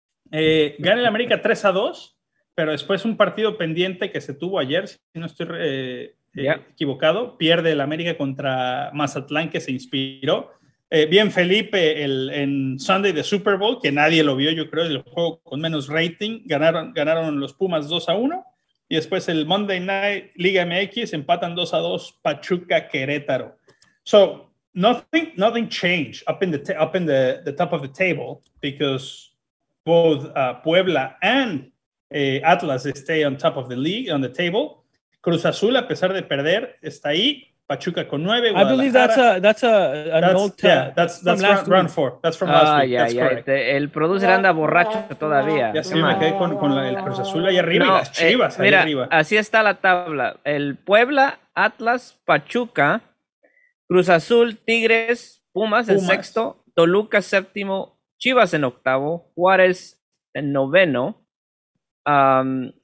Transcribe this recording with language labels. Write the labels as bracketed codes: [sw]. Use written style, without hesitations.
[es] Gana el América 3-2, pero después un partido pendiente que se tuvo ayer, si no estoy equivocado, pierde el América contra Mazatlán, que se inspiró. Bien Felipe en Sunday de Super Bowl, que nadie lo vio, yo creo, el juego con menos rating, ganaron los Pumas 2-1, y después el Monday Night Liga MX empatan 2-2 Pachuca Querétaro. [en] So, nothing changed up in the top of the table, because both Puebla and Atlas stay on top of the league, on the table. [es] Cruz Azul, a pesar de perder, está ahí. Pachuca con 9. [en] I believe that's an old term. Yeah, that's from round four. That's from last week. Yeah, that's correct. [es] El producer anda borracho todavía. Ya sí, me quedé con el Cruz Azul ahí arriba, no, y las Chivas ahí mira, arriba. Así está la tabla. El Puebla, Atlas, Pachuca, Cruz Azul, Tigres, Pumas en sexto, Toluca séptimo, Chivas en octavo, Juárez en noveno. Vamos